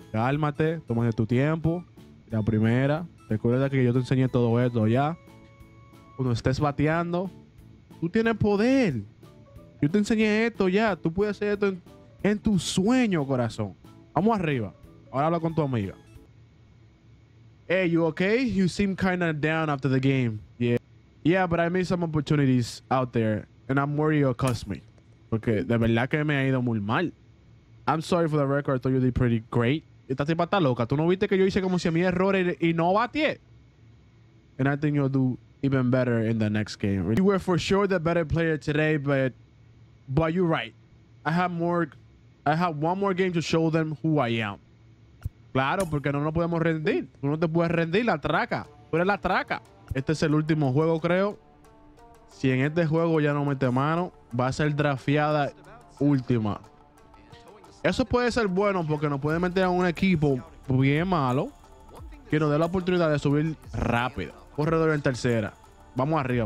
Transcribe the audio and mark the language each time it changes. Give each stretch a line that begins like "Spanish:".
Spanish: Cálmate, tómate tu tiempo. La primera, recuerda que yo te enseñé todo esto ya. Cuando estés bateando, tú tienes poder. Yo te enseñé esto ya. Tú puedes hacer esto en tu sueño, corazón. Vamos arriba. Ahora habla con tu amiga.
English: Hey, you okay? You seem kind of down after the game. Yeah, but I made some opportunities out there. And I'm worried you'll cost me.
Spanish: Porque de verdad que me ha ido muy mal.
English: I'm sorry for the record. I thought you did pretty great.
Spanish: Esta tipa está loca. ¿Tú no viste que yo hice como 100.000 errores y no batié?
English: And I think you'll do even better in the next game. You were for sure the better player today, but you're right. I have one more game to show them who I am.
Spanish: Claro, porque no nos podemos rendir. Tú no te puedes rendir, la traca. Tú eres la traca. Este es el último juego, creo. Si en este juego ya no mete mano, va a ser drafteada última. Eso puede ser bueno porque nos puede meter a un equipo bien malo que nos dé la oportunidad de subir rápido. Corredor en tercera. Vamos arriba.